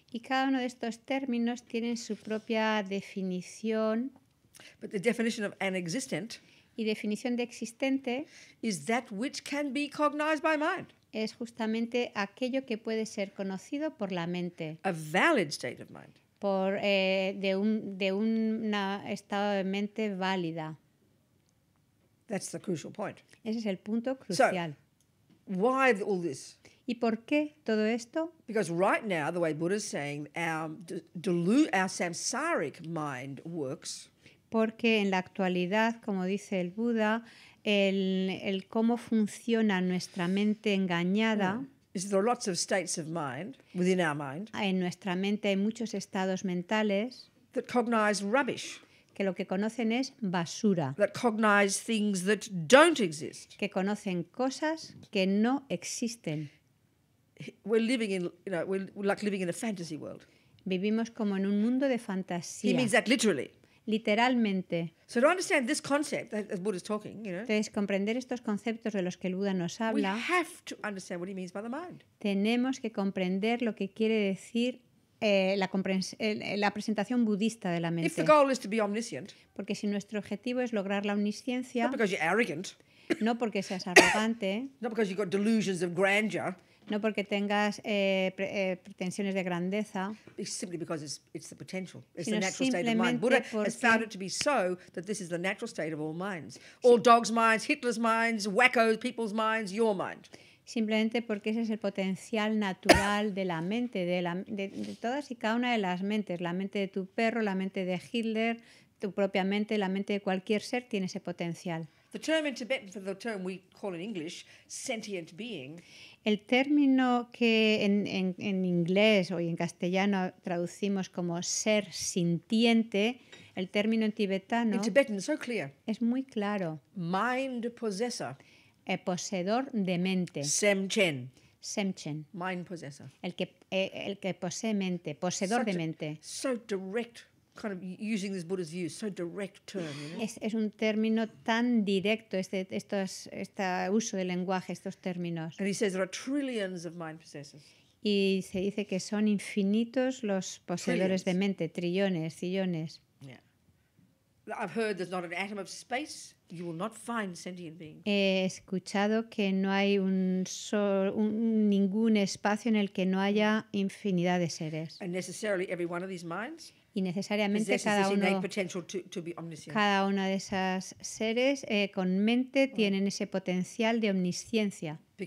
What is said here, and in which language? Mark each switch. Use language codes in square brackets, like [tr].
[es] Y cada uno de estos términos tiene su propia definición. [en] But the definition of an existent. [es] Y definición de existente. [en] Is that which can be cognized by mind. [es] Es justamente aquello que puede ser conocido por la mente. [en] A valid state of mind. [es] Por de una estado de mente válida. [en] That's the crucial point. [es] Ese es el punto crucial. [en] So, why all this? [es] ¿Y por qué todo esto? [en] Because right now, the way Buddha is saying, our samsaric mind works. [es] Porque en la actualidad, como dice el Buda, el cómo funciona nuestra mente engañada. [en] Is there are lots of states of mind within our mind. [es] En nuestra mente hay muchos estados mentales. [en] That cognize rubbish. [es] Que lo que conocen es basura. [en] That cognize things that don't exist. [es] Que conocen cosas que no existen. [en] We're like living in a fantasy world. [es] Vivimos como en un mundo de fantasía. [en] He means that literally. [es] Literalmente. [en] So to understand this concept that the Buddha is talking, you know. [es] Entonces, comprender estos conceptos de los que el Buda nos habla. [en] We have to understand what he means by the mind. [es] Tenemos que comprender lo que quiere decir la presentación budista de la mente. [en] If the goal is to be omniscient, [es] porque si nuestro objetivo es lograr la omnisciencia, [en] not because you're arrogant, [es] no porque seas arrogante, [en] not because you've got delusions of grandeur, [es] No porque tengas pretensiones de grandeza. [en] Simply because it's the potential. It's the natural state of mind. Buddha has found it to be so that this is the natural state of all minds. All dogs' minds, Hitler's minds, wackos, people's minds, your mind. [es] Simplemente porque ese es el potencial natural de la mente, de todas y cada una de las mentes. La mente de tu perro, la mente de Hitler, tu propia mente, la mente de cualquier ser tiene ese potencial. [en] The term in Tibetan for the term we call in English, sentient being. [es] El término que en inglés o en castellano traducimos como ser sintiente, el término en tibetano [en] in Tibetan, so clear. [es] Es muy claro. [en] Mind possessor. [es] El poseedor de mente. [bo] Semchen. Semchen. [en] Mind possessor. [es] El que posee mente, poseedor [en] such [es] de mente. [en] So direct. Kind of using this Buddha's view, so direct term. You know? [es] Es un término tan directo este uso de lenguaje, estos términos. [en] And he says there are trillions of mind possessors. [es] Y se dice que son infinitos los poseedores de mente, trillones, sillones. [en] Yeah. I've heard there's not an atom of space. You will not find sentient beings. [es] He escuchado que no hay ningún espacio en el que no haya infinidad de seres. [en] And necessarily every one of these minds. [es] Y necesariamente cada uno de esos seres con mente tienen ese potencial de omnisciencia.